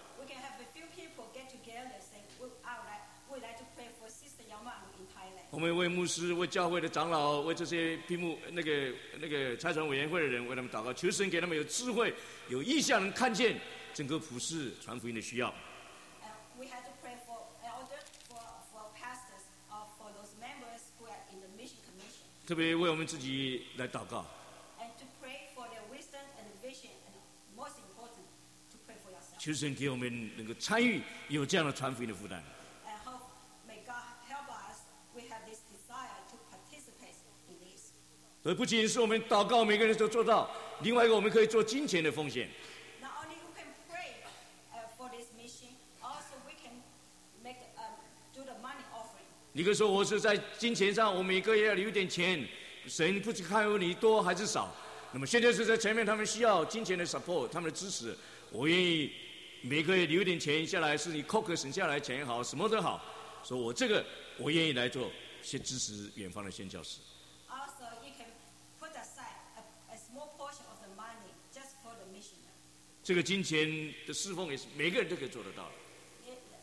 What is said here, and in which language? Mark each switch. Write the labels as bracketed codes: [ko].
[en] We can have a few people get together, say, we'd like to pray for Sister Yamaru in Thailand. [zh] 我们为牧师、为教会的长老、为这些闭幕那个财团委员会的人，为他们祷告，求神给他们有智慧、有意向，能看见整个普世传福音的需要。 [en] We have to pray for elders, for pastors, or for those members who are in the mission commission. [zh] 特别为我们自己来祷告。 [en] And to pray for their wisdom and vision, and most important, to pray for yourself. [zh] 求神给我们能够参与有这样的传福音的负担。 [en] And hope may God help us. We have this desire to participate in this. [zh] 所以不仅是我们祷告，每个人都做到。另外一个，我们可以做金钱的奉献。 [en] Not only we can pray for this mission, also we can make do the money offering. [zh] 你可以说我是在金钱上，我每个月要留点钱，神不知看你多还是少。那么现在是在前面，他们需要金钱的 support， 他们的支持，我愿意每个月留点钱下来，是你扣个省下来钱也好，什么都好，说我这个我愿意来做，先支持远方的宣教士。 [en] Also, you can put aside a small portion of the money just for the missionary. [zh] 这个金钱的侍奉也是每个人都可以做得到的。